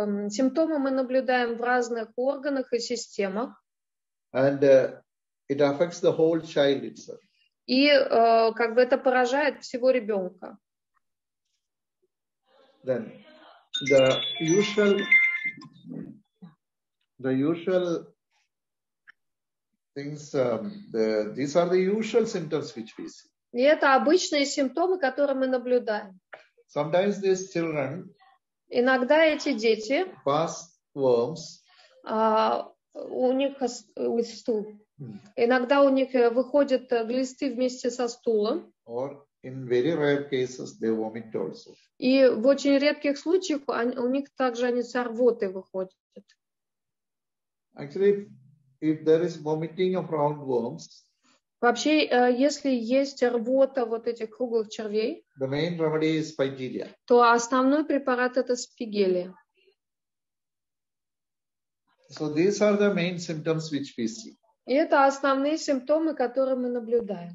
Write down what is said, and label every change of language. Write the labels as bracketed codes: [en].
[ru] Симптомы мы наблюдаем в разных органах и системах. [en] And it affects the whole child itself. [ru] И как бы это поражает всего ребенка. [en] Then. The usual things, these are the usual symptoms which we see. [ru] И это обычные симптомы, которые мы наблюдаем. [en] Sometimes these children. [ru] Иногда эти дети. [en] Pass worms. [ru] У них [en] with stool. [ru] Иногда у них выходят глисты вместе со стулом. [en] Or in very rare cases they vomit also. [ru] И в очень редких случаях у них также они с рвоты выходят. [en] Actually, if there is vomiting of roundworms. [ru] Вообще, если есть рвота вот этих круглых червей, [en] the main remedy is spigelia. [ru] То основной препарат это спигелия. [en] So these are the main symptoms which we see. [ru] И это основные симптомы, которые мы наблюдаем.